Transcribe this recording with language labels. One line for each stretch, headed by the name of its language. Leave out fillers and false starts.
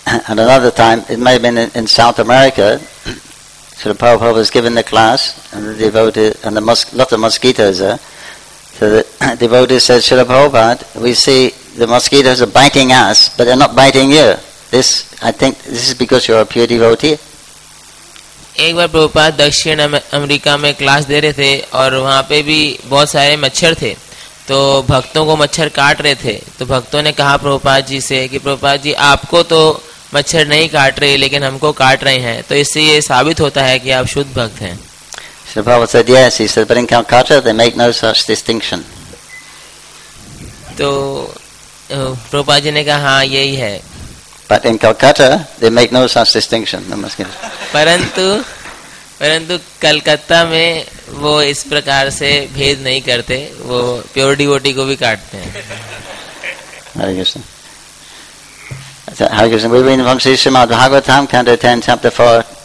English: And another time, it may have been in South America, Sri Prabhupada was given the class, and the devotees and lots of mosquitoes there. So the devotee said, "Srila Prabhupada, we see the mosquitoes are biting us, but they're not biting you. This, I think, this is because you're a pure devotee."
Hindi: एक बार प्रभुपाद दक्षिण America में class दे रहे थे और वहाँ पे भी बहुत सारे मच्छर थे तो भक्तों को मच्छर काट रहे थे तो भक्तों ने कहा प्रभुपाद जी से कि प्रभुपाद जी आपको तो मच्छर नहीं काट रहे लेकिन हमको काट रहे हैं तो इससे ये साबित होता है कि आप शुद्ध भक्त हैं.
English: Sri Prabhupada said, "Yes." He said, "But in Calcutta, they make no such distinction."
Hindi: So, Prabhupada ji ne kaha, "Haan, yehi hai."
English: But in Calcutta, they make no such distinction. No mosquito.
Hindi: परंतु कलकत्ता में वो इस प्रकार से भेद नहीं करते. वो pure devotee को भी काटते हैं.
English: Hare Krishna. Hare Krishna. We read from Srimad Bhagavatam, Canto 10, Chapter 4.